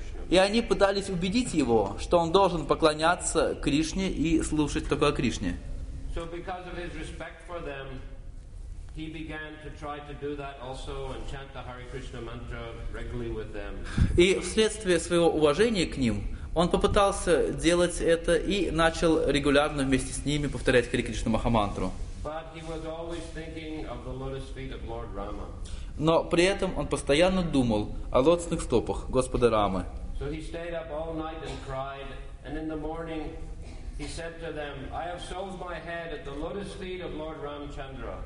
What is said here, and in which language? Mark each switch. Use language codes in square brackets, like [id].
[ru] И они пытались убедить его, что он должен поклоняться Кришне и слушать только о Кришне. [en] So because of his respect for them, he began to try to do that also and chant the Hare Krishna mantra regularly with them. [ru] И вследствие своего уважения к ним, он попытался делать это и начал регулярно вместе с ними повторять Хари Кришна Махамантру. [en] But he was always thinking of the lotus feet of Lord Rama. [ru] Но при этом он постоянно думал о лотосных стопах Господа Рамы. [en] So he stayed up all night and cried, and in the morning he said to them, I have sold my head at the lotus feet of Lord Ramchandra.